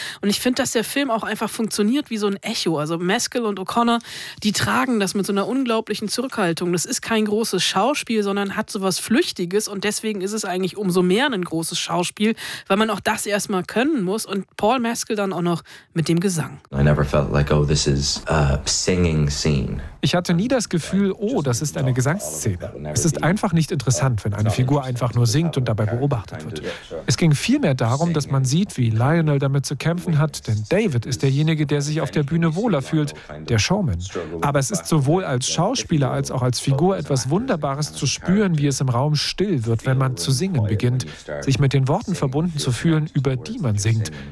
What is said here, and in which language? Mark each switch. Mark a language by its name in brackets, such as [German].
[German] Und ich finde, dass der Film auch einfach funktioniert wie so ein Echo. Also Maskell und O'Connor, die tragen das mit so einer unglaublichen Zurückhaltung. Das ist kein großes Schauspiel, sondern hat sowas Flüchtiges und deswegen ist es eigentlich umso mehr ein großes Schauspiel, weil man auch das erstmal können muss und Paul Maskell dann auch noch mit dem Gesang. [English] I never felt like, oh, this is a singing scene. [German] Ich hatte nie das Gefühl, oh, das ist eine Gesangsszene. Es ist einfach nicht interessant, wenn eine Figur einfach nur singt und dabei beobachtet wird. Es ging vielmehr darum, dass man sieht, wie Lionel damit zu kämpfen hat, denn David ist derjenige, der sich auf der Bühne wohler fühlt, der Showman. Aber es ist sowohl als Schauspieler als auch als Figur etwas Wunderbares zu spüren, wie es im Raum still wird, wenn man zu singen beginnt, sich mit den Worten verbunden zu fühlen, über die man singt.